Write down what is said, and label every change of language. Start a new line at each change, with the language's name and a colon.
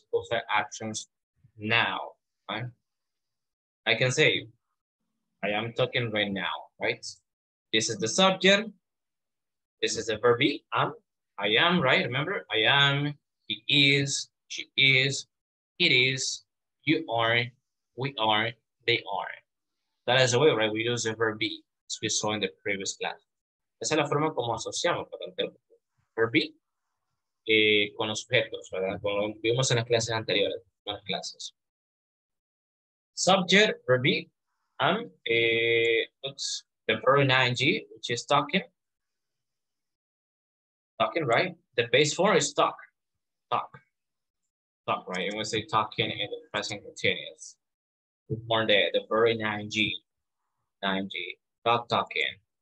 English: So those are actions now, right? I can say, I am talking right now, right? This is the subject. This is the verb be, I am, right? Remember, I am, he is, she is, it is, you are, we are, they are. That is the way, right? We use the verb be, as we saw in the previous class.
Spanish: Esa es la forma como asociamos para el verbo. Verb be con los sujetos, ¿verdad? Como vimos en las clases anteriores, en las clases.
English: Subject, verb be, the verb in ing, which is talking. Talking, right? The base form is talk. Talk. Talk, right? And we say talking in the present continuous. Or the verb in ing. Stop talking.